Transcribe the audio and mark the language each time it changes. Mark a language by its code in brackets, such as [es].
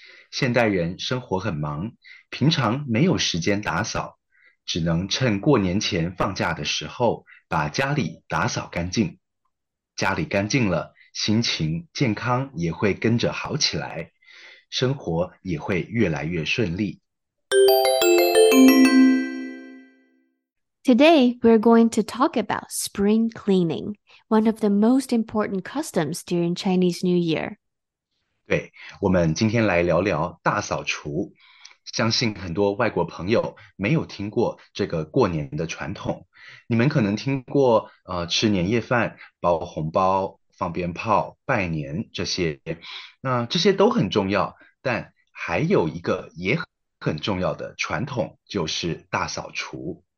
[zh] 现代人生活很忙，平常没有时间打扫，只能趁过年前放假的时候把家里打扫干净。家里干净了，心情健康也会跟着好起来，生活也会越来越顺利。 [en] Today, we're going to talk about spring cleaning, one of the most important customs during Chinese New Year. [zh] 对，我们今天来聊聊大扫除。相信很多外国朋友没有听过这个过年的传统。你们可能听过吃年夜饭、包红包、放鞭炮、拜年这些，那这些都很重要，但还有一个也很重要的传统，就是大扫除。